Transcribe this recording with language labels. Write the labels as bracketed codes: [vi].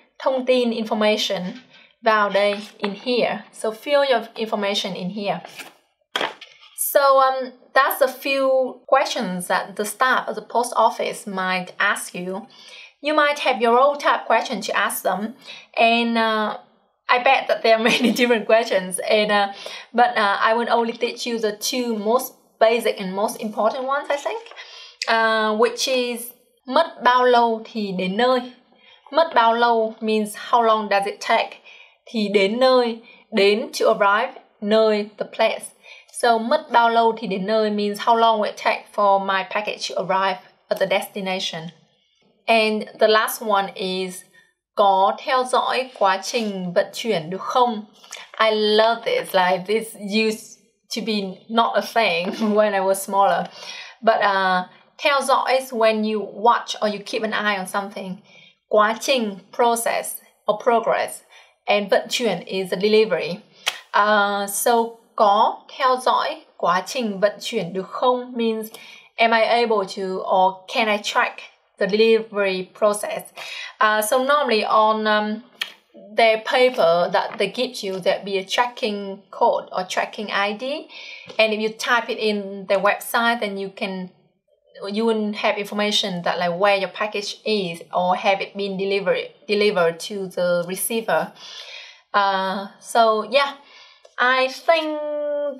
[vi] Thông tin, [en] information, [vi] vào đây, [en] in here. So fill your information in here. So that's a few questions that the staff of the post office might ask you. You might have your own type question to ask them. And I bet that there are many different questions. But I will only teach you the two most basic and most important ones, I think. Which is, [vi] mất bao lâu thì đến nơi? Mất bao lâu [en] means how long does it take? [vi] Thì đến nơi, đến [en] to arrive, [vi] nơi, [en] the place. So [vi] mất bao lâu thì đến nơi [en] means how long will it take for my package to arrive at the destination. And the last one is [vi] có theo dõi quá trình vận chuyển được không? [en] I love this, like this used to be not a thing when I was smaller. But [vi] theo dõi [en] is when you watch or you keep an eye on something. [vi] Quá trình, [en] process or progress, and [vi] vận chuyển [en] is the delivery. So [vi] có theo dõi quá trình vận chuyển được không [en] means am I able to or can I track the delivery process? So normally on their paper that they give you, there'll be a tracking code or tracking ID, and if you type it in their website, then you wouldn't have information that like where your package is or have it been delivered to the receiver. So yeah, I think